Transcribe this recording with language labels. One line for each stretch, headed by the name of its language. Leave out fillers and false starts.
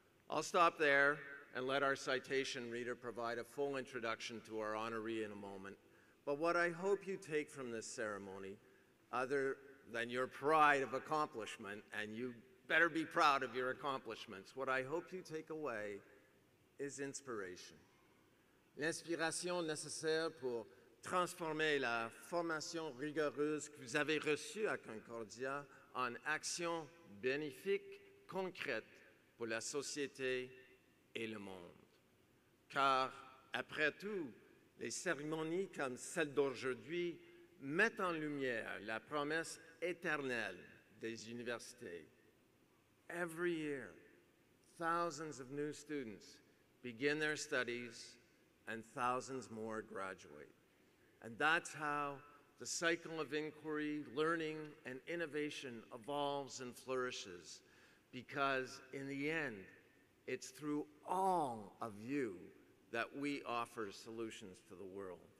English: I'll stop there and let our citation reader provide a full introduction to our honoree in a moment. But what I hope you take from this ceremony, other than your pride of accomplishment, and you better be proud of your accomplishments. What I hope you take away is inspiration.
French: L'inspiration nécessaire pour transformer la formation rigoureuse que vous avez reçue à Concordia en action bénéfique, concrète pour la société et le monde. Car, après tout, les cérémonies comme celle d'aujourd'hui mettent en lumière la promesse éternelle des universités.
English: Every year, thousands of new students begin their studies and thousands more graduate. And that's how the cycle of inquiry, learning, and innovation evolves and flourishes, because in the end, it's through all of you that we offer solutions to the world.